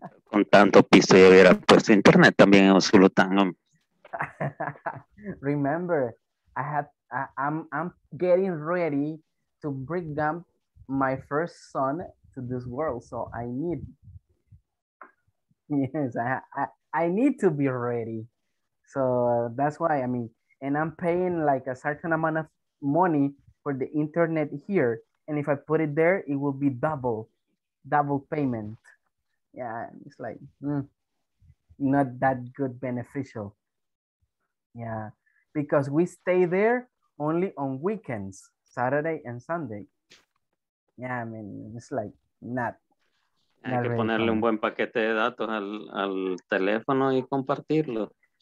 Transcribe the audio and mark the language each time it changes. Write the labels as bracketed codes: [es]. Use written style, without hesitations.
[es] Con tanto piso ya hubiera puesto internet también en solo tango. [en] Remember, I'm getting ready to bring down my first son to this world, so I need. Yes, I need to be ready. So that's why, I mean, and I'm paying like a certain amount of money for the internet here. And if I put it there, it will be double payment. Yeah, it's like not that good beneficial. Yeah, because we stay there only on weekends, Saturday and Sunday. Yeah, I mean, it's like not. [es] Hay que ponerle un buen paquete de datos al teléfono y compartirlo.